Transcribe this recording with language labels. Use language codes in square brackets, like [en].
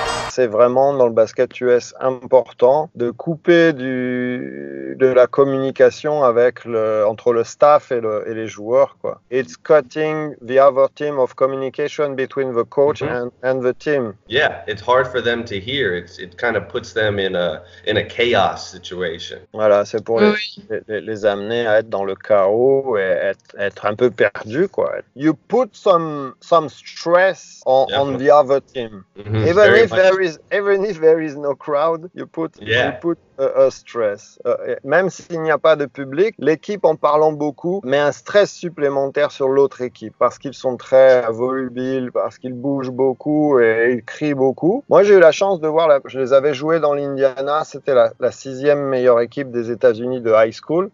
[fr] C'est vraiment dans le basket US important de couper de la communication entre le staff et les joueurs, quoi. [en] It's cutting the other team of communication between the coach and the team. Yeah, it's hard for them to hear. It kind of puts them in a chaos situation. [fr] Voilà, c'est pour les amener à être dans le chaos et être un peu perdu, quoi. [en] You put some stress on the other team. Mm-hmm. Even if there is no crowd, you put a stress. [fr] Même s'il n'y a pas de public, l'équipe, en parlant beaucoup, met un stress supplémentaire sur l'autre équipe parce qu'ils sont très volubiles, parce qu'ils bougent beaucoup et ils crient beaucoup. Moi, j'ai eu la chance de voir, je les avais joués dans l'Indiana, c'était la sixième meilleure équipe des États-Unis de high school.